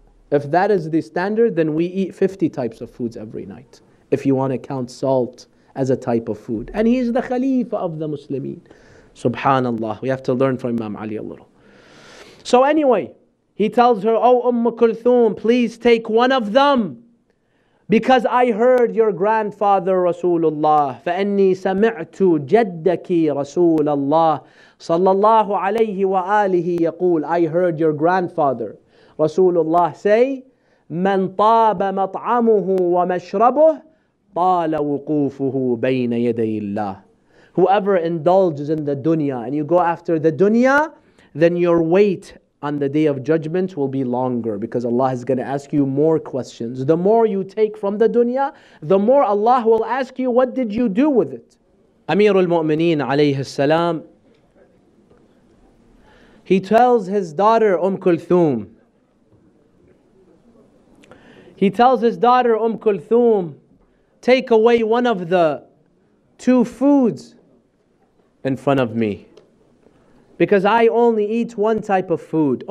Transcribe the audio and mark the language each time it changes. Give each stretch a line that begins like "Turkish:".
English: If that is the standard, then we eat 50 types of foods every night, if you want to count salt as a type of food. And he's the Khalifa of the Muslimin. Subhanallah, we have to learn from Imam Ali a little. So anyway, he tells her, oh Kulthum, please take one of them. Because I heard your grandfather Rasulullah,
Arabic: فَأَنِّي سَمِعْتُ جَدَّكِ رَسُولَ اللَّهِ صَلَّى اللَّهُ عَلَيْهِ وَآلِهِ يَقُولُ,
English: I heard your grandfather Rasulullah say,
Arabic: مَنْ طَابَ مَطْعَمُهُ وَمَشْرَبُهُ طَالَ وُقُوفُهُ بَيْنَ يَدَيِ اللَّهِ.
English: Whoever indulges in the dunya, and you go after the dunya, then your wait on the day of judgment will be longer, because Allah is going to ask you more questions. The more you take from the dunya, the more Allah will ask you, what did you do with it? Amir al-Mu'mineen alayhi salam, he tells his daughter Kulthum, he tells his daughter Kulthum, take away one of the two foods in front of me, because I only eat one type of food.